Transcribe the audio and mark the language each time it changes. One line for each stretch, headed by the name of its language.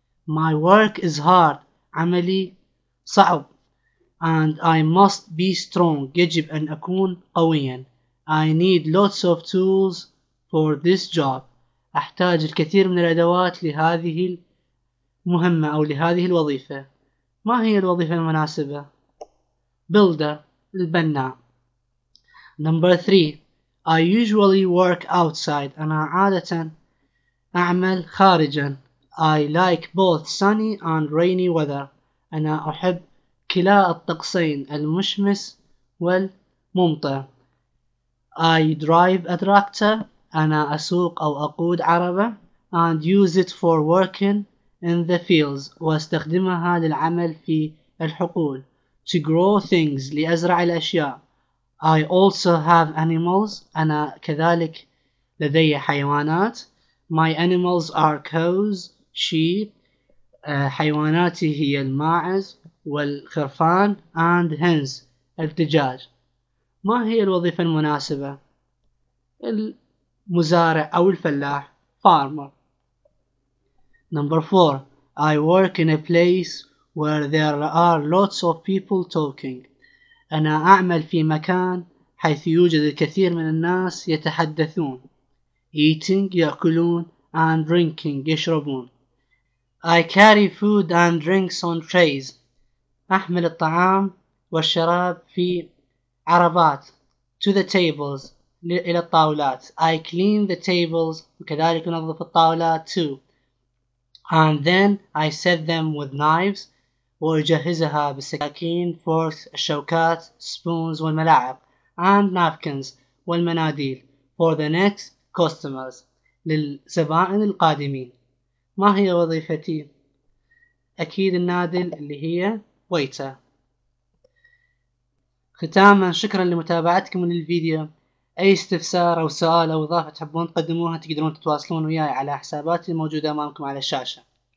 English: my work is hard
Arabic: عملي صعب.
English: And I must be strong.
Arabic: يجب أن أكون قوياً.
English: I need lots of tools for this job.
Arabic: أحتاج الكثير من الأدوات لهذه المهمة أو لهذه الوظيفة. ما هي الوظيفة المناسبة؟ Builder البناء.
English: Number three. I usually work outside.
Arabic: أنا عادة أعمل خارجاً.
English: I like both sunny and rainy weather.
Arabic: أنا أحب كلا الطقسين المشمس والممطر.
English: I drive a tractor
Arabic: أنا أسوق أو أقود عربة
English: and use it for working in the fields
Arabic: واستخدمها للعمل في الحقول
English: to grow things
Arabic: لأزرع الأشياء.
English: I also have animals
Arabic: أنا كذلك لدي حيوانات.
English: My animals are cows sheep
Arabic: حيواناتي هي الماعز والخرفان
English: and hens
Arabic: الدجاج. ما هي الوظيفة المناسبة؟ المزارع أو الفلاح farmer.
English: number four I work in a place where there are lots of people talking
Arabic: أنا أعمل في مكان حيث يوجد الكثير من الناس يتحدثون
English: eating
Arabic: يأكلون
English: and drinking
Arabic: يشربون.
English: I carry food and drinks on trays
Arabic: أحمل الطعام والشراب في عربات
English: to the tables
Arabic: إلى الطاولات.
English: I clean the tables.
Arabic: وكذلك نظف الطاولات too.
English: And then I set them with knives.
Arabic: وأجهزها بالسكاكين,
English: forks,
Arabic: الشوكات,
English: spoons,
Arabic: والملاعق,
English: and napkins,
Arabic: والمناديل,
English: for the next customers,
Arabic: للزبائن القادمين. ما هي وظيفتي؟ أكيد النادل اللي هي waiter. ختاما, شكرا لمتابعتكم للفيديو. أي استفسار أو سؤال أو إضافة تحبون تقدموها تقدرون تتواصلون وياي على حساباتي الموجودة أمامكم على الشاشة.